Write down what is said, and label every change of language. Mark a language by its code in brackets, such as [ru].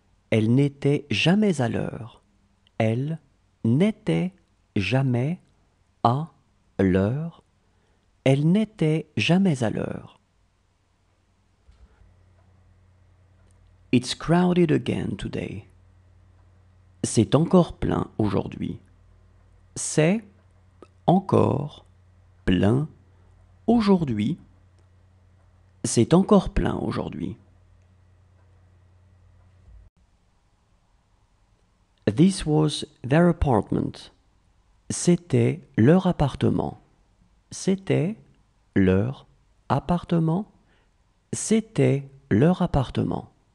[fr] Elle n'était jamais à l'heure. Elle n'était jamais à l'heure. Elle n'était jamais à l'heure. [en] It's crowded again today. [fr] C'est encore plein aujourd'hui. C'est encore plein aujourd'hui. C'est encore plein aujourd'hui. [en] This was their apartment. [fr] C'était leur appartement. C'était leur appartement. C'était leur appartement.